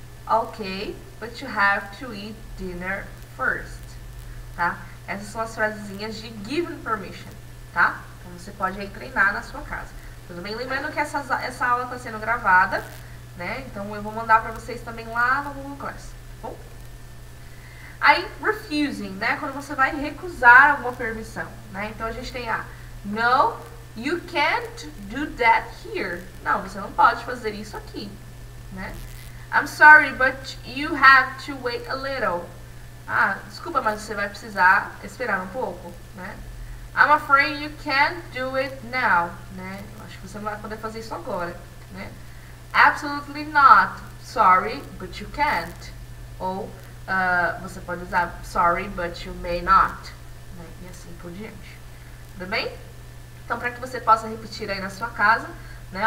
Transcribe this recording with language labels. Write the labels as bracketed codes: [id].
[en] Okay, but you have to eat dinner first. [pt] Tá? Essas são as frasezinhas de given permission, tá? Então você pode aí treinar na sua casa. Tudo bem? Lembrando que essa aula está sendo gravada, né? Então eu vou mandar para vocês também lá no Google Class, tá bom? Aí, refusing, né? Quando você vai recusar alguma permissão, né? Então a gente tem a [en] no, you can't do that here. [pt] Não, você não pode fazer isso aqui, né? [en] I'm sorry, but you have to wait a little. [pt] Ah, desculpa, mas você vai precisar esperar um pouco, né? [en] I'm afraid you can't do it now, né? [pt] Eu acho que você não vai poder fazer isso agora, né? [en] Absolutely not. Sorry, but you can't. [pt] Ou você pode usar [en] sorry, but you may not, [pt] né? E assim por diante. Tudo bem? Então, para que você possa repetir aí na sua casa, né?